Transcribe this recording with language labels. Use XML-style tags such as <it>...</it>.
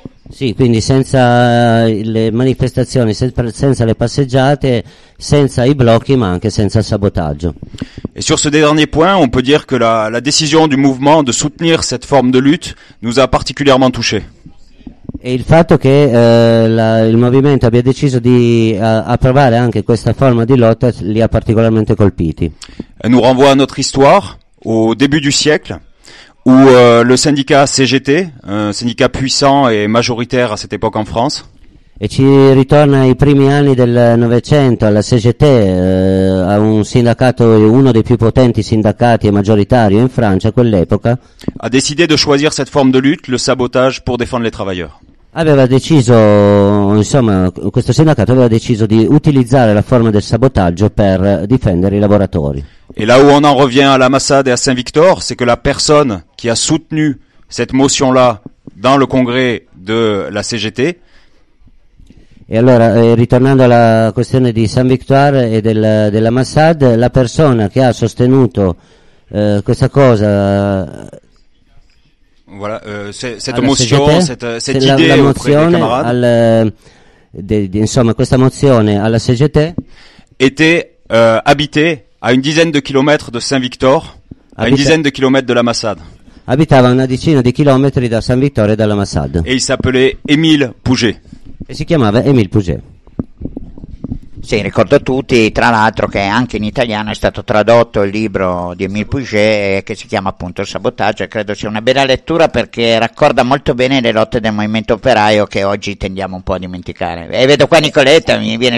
<it>Sì, quindi senza le manifestazioni, senza le passeggiate, senza i blocchi, ma anche senza il sabotaggio.</it> <fr>Et sur ce dernier point, on peut dire que la décision du mouvement de soutenir cette forme de lutte nous a particulièrement touché.</fr> <it>E il fatto che il movimento abbia deciso di approvare anche questa forma di lotta li ha particolarmente colpiti.</it> <fr>Elle nous renvoie à notre histoire, au début du siècle. où le syndicat CGT, un syndicat puissant et majoritaire à cette époque en France.</fr> <it>E ci ritorna ai primi anni del Novecento, alla CGT, a un sindacato, uno dei più potenti sindacati e maggioritario in Francia a quell'epoca.</it> <fr>Ha décidé de choisir cette forme de lutte, le sabotage, pour défendre les travailleurs.</fr> <it>Aveva deciso, insomma, questo sindacato aveva deciso di utilizzare la forma del sabotaggio per difendere i lavoratori.</it> <fr>Et là où on en revient à la Massade et à Saint-Victor, c'est que la personne qui a soutenu cette motion-là dans le congrès de la CGT.</fr> <it>E allora, ritornando alla questione di Saint-Victor e della Massade, la persona che ha sostenuto questa cosa.</it> <fr>Voilà, cette motion, CGT, cette idée auprès des camarades.</fr> <it>Questa mozione alla CGT</it> <fr>était habitée à une dizaine de kilomètres de Saint-Victor, à une dizaine de kilomètres de la Massade.</fr> <it>Abitava una decina di chilometri da San Vittore e dalla Massade.</it> <fr>E il s'appelait Émile Pouget.</fr> <it>E si chiamava Émile Pouget. Sì, ricordo a tutti, tra l'altro, che anche in italiano è stato tradotto il libro di Émile Pouget, che si chiama appunto Il Sabotaggio, e credo sia una bella lettura perché raccorda molto bene le lotte del movimento operaio che oggi tendiamo un po' a dimenticare. E vedo qua Nicoletta, mi viene</it>